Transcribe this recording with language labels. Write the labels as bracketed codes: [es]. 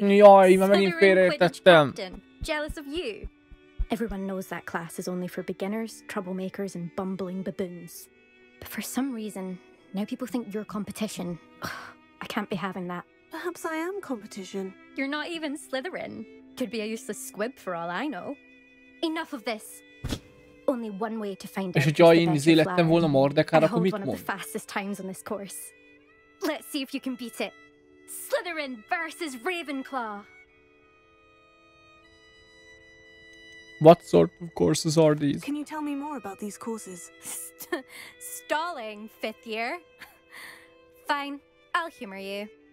[hu] Jaj, már megint félreértettem. [en] Jealous of you? Everyone knows that class is only for beginners, troublemakers, and bumbling baboons. But for some reason, now people think you're competition. I can't be having that. Perhaps I am competition. You're not even Slytherin. Could be a useless squib for all I know. Enough of this. Only one way to find out. [hu] És hogyha én lettem volna Mordekár, akkor mit mond? [en] One of the fastest times on this course. Let's see if you can beat it. Slytherin versus Ravenclaw. What sort of courses are these? Can you tell me more about these courses? Stalling, fifth year. Fine, I'll humor you.